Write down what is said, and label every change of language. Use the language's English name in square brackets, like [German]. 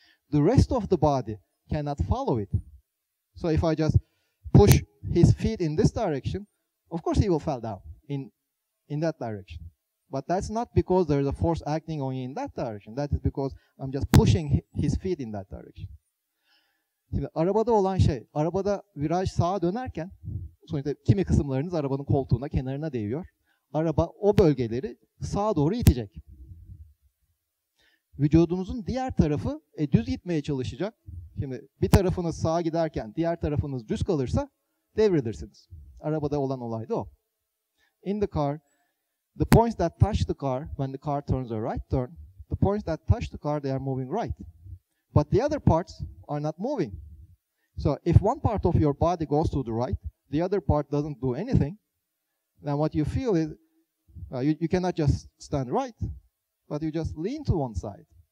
[English] The rest of the body cannot follow it. So if I just push his feet in this direction, of course he will fall down in that direction. But that's not because there is a force acting on you in that direction. That is because I'm just pushing his feet in that direction. [Turkish] Şimdi arabada olan şey, arabada viraj sağa dönerken, sonuçta kimi kısımlarınız arabanın koltuğuna, kenarına değiyor. Araba o bölgeleri sağa doğru itecek. Vücudunuzun diğer tarafı düz gitmeye çalışacak. Şimdi bir tarafınız sağa giderken diğer tarafınız düz kalırsa devrilirsiniz. Arabada olan olay da o. [English] In the car, the points that touch the car when the car turns a right turn, the points that touch the car, they are moving right. But the other parts are not moving. So if one part of your body goes to the right, the other part doesn't do anything, then what you feel is you cannot just stand right, but you just lean to one side.